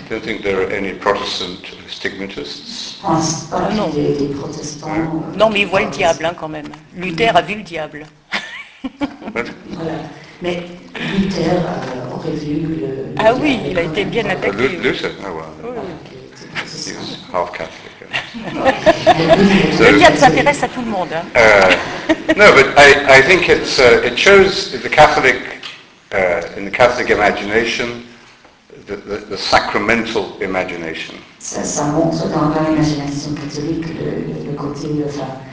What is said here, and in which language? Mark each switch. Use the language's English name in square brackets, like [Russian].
[English] I don't think there are any Protestant stigmatists. [French] Non. Des protestants. Non, mais il voit le diable hein, quand même. Luther a vu le diable. Voilà. Mais Luther aurait vu Ah oui, il a été bien attaqué. [English] Luther, no one. He was half Catholic. [French] So, le diable s'intéresse à tout le monde. [English] No, but I think it's it shows the Catholic in the Catholic imagination the sacramental imagination. [French] Ça montre dans l'imagination catholique le côté de ça.